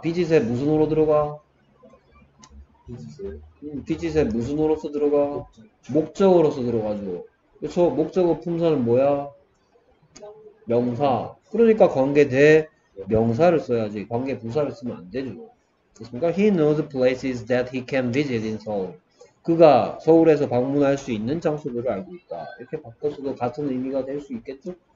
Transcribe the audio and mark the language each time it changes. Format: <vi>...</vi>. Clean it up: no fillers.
<ko>visit에 무슨 으로 들어가? visit에 무슨 으로서 들어가? 목적으로서 들어가죠. 그렇죠? 목적어 품사는 뭐야? 명사. 그러니까 관계대 명사를 써야지. 관계 부사를 쓰면 안 되죠. 그렇습니까?</ko> <en>He knows places that he can visit in Seoul.</en> <ko>그가 서울에서 방문할 수 있는 장소들을 알고 있다. 이렇게 바꿔서도 같은 의미가 될 수 있겠죠?</ko>